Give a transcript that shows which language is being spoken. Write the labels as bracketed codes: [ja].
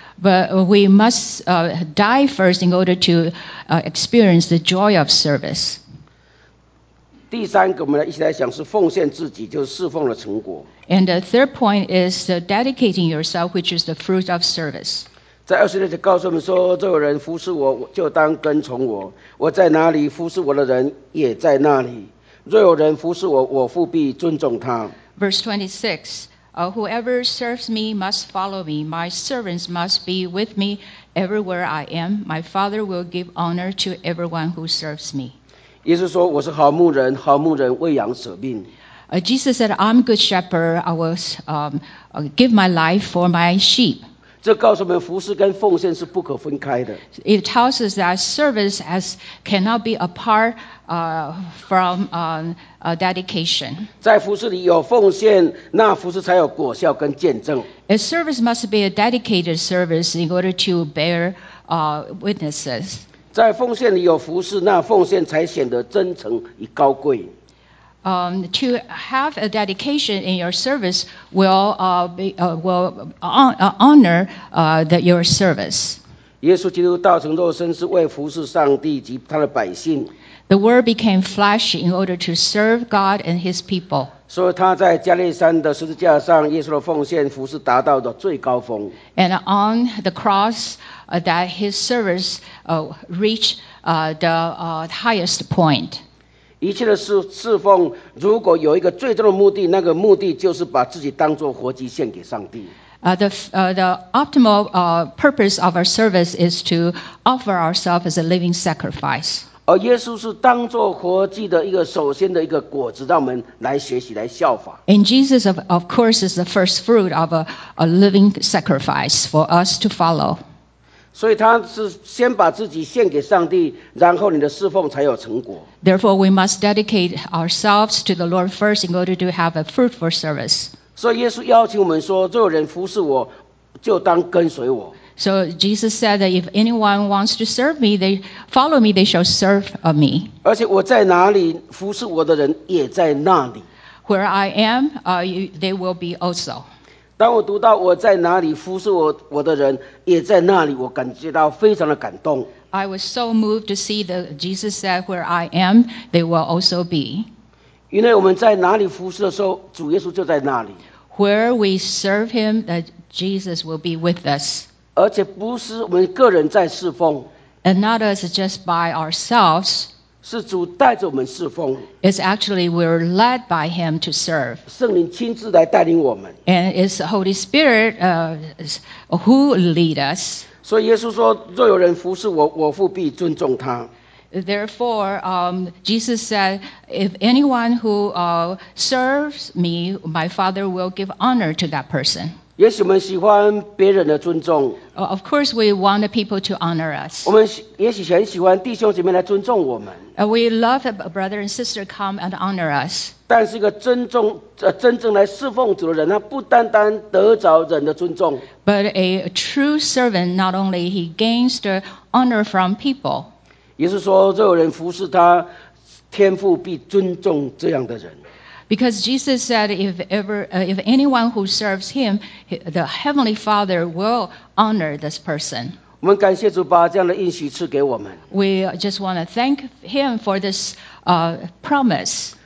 [en] But we must die first in order to experience the joy of service. [zh] 第三个，我们一起来想是奉献自己，就是侍奉的成果。 [en] And the third point is dedicating yourself, which is the fruit of service. [zh] 在二十六节告诉我们说，若有人服侍我，就当跟从我。我在哪里，服侍我的人也在那里。若有人服侍我，我父必尊重他。 [en] Verse 26. Whoever serves me must follow me. My servants must be with me everywhere I am. My Father will give honor to everyone who serves me. [zh] 耶稣说，我是好牧人，好牧人为羊舍命。 [en] Jesus said, I'm a good shepherd. I will give my life for my sheep. [zh] 这告诉我们服事跟奉献是不可分开的。 [en] It tells us that service cannot be apart from dedication. [zh] 在服事里有奉献，那服事才有果效跟见证。 [en] A service must be a dedicated service in order to bear witnesses. [zh] 在奉献里有服事，那奉献才显得真诚与高贵。 [en] To have a dedication in your service will honor your service. [zh] 耶稣基督道成肉身，是为服事上帝及他的百姓。 [en] The word became flesh in order to serve God and His people. [zh] 所以他在加利山的十字架上，耶稣的奉献服事达到了最高峰。 [en] And on the cross, that His service reached the highest point. [zh] 一切的侍奉，如果有一个最终的目的，那个目的就是把自己当作活祭献给上帝。 [en] The optimal purpose of our service is to offer ourselves as a living sacrifice. [zh] 而耶稣是当作活祭的一个首先的一个果子，让我们来学习来效法。 [en] And Jesus of course is the first fruit of a living sacrifice for us to follow. [zh] 所以他是先把自己献给上帝，然后你的侍奉才有成果。 [en] Therefore, we must dedicate ourselves to the Lord first in order to have a fruitful service. [zh] 所以耶稣邀请我们说，若有人服侍我，就当跟随我。 [en] So Jesus said that if anyone wants to serve me, they follow me, they shall serve me. [zh] 而且我在哪里，服侍我的人也在那里。 [en] Where I am, they will be also. [zh] 当我读到我在哪里，服侍我的人也在那里，我感觉到非常的感动。 [en] I was so moved to see that Jesus said, where I am, they will also be. [zh] 因为我们在哪里服侍的时候，主耶稣就在那里。 [en] Where we serve him, that Jesus will be with us. [zh] 而且不是我们个人在侍奉。 [en] And not us just by ourselves. [zh] 是主带着我们侍奉。 [en] It's actually we're led by him to serve. [zh] 圣灵亲自来带领我们。 [en] And it's the Holy Spirit who lead us. [zh] 所以耶稣说，若有人服侍我，我父必尊重他。 [en] Therefore, Jesus said, if anyone who serves me, my Father will give honor to that person. Yes, we [zh] 喜欢别人的尊重。 [en] Of course, we want the people to honor us. [zh] 我们也许很喜欢弟兄姐妹来尊重我们。 [en] We love a brother and sister come and honor us. [zh] 但是一个真正来侍奉主的人，他不单单得着人的尊重。 [en] But a true servant, not only he gains the honor from people, [zh] 也是说，若有人服侍他，天父必尊重这样的人。 [en] Because Jesus said, if anyone who serves him, the heavenly Father will honor this person. [zh] 我们感谢主把这样的应许赐给我们。 [en] We just want to thank him for this promise.